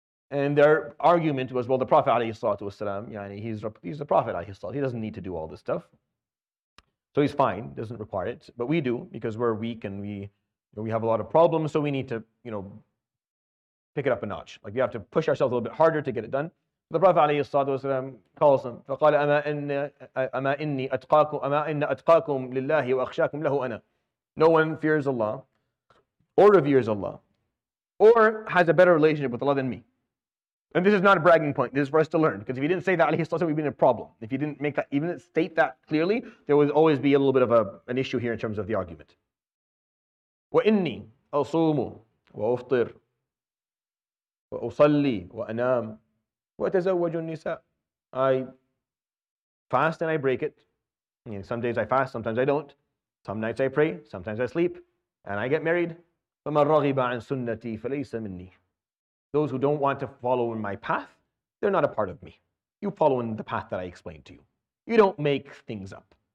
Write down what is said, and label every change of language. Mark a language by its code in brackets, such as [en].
[en] And their argument was, well, the Prophet ﷺ, he's the Prophet ﷺ. He doesn't need to do all this stuff. So he's fine, doesn't require it. But we do, because we're weak and we have a lot of problems, so we need to, you know, pick it up a notch. Like, we have to push ourselves a little bit harder to get it done. The Prophet [ar] عليه الصلاة والسلام [en] calls him. [ar] فقال أما إني أتقاكم لله وأخشاكم له أنا. [en] No one fears Allah, or reveres Allah, or has a better relationship with Allah than me. And this is not a bragging point. This is for us to learn. Because if he didn't say that, [ar] عليه الصلاة والسلام, [en] we'd be in a problem. If he didn't make that, even state that clearly, there would always be a little bit of an issue here in terms of the argument. [ar] وإني أصوم وأفطر وأصلي وأنام. وَتَزَوَّجُ النِّسَاءَ. [en] I fast and I break it. You know, some days I fast, sometimes I don't. Some nights I pray, sometimes I sleep, and I get married. [ar] فَمَا رَغِبَ عَنْ سُنَّتِي فَلَيْسَ مِنِّي. [en] Those who don't want to follow in my path, they're not a part of me. You follow in the path that I explained to you. You don't make things up.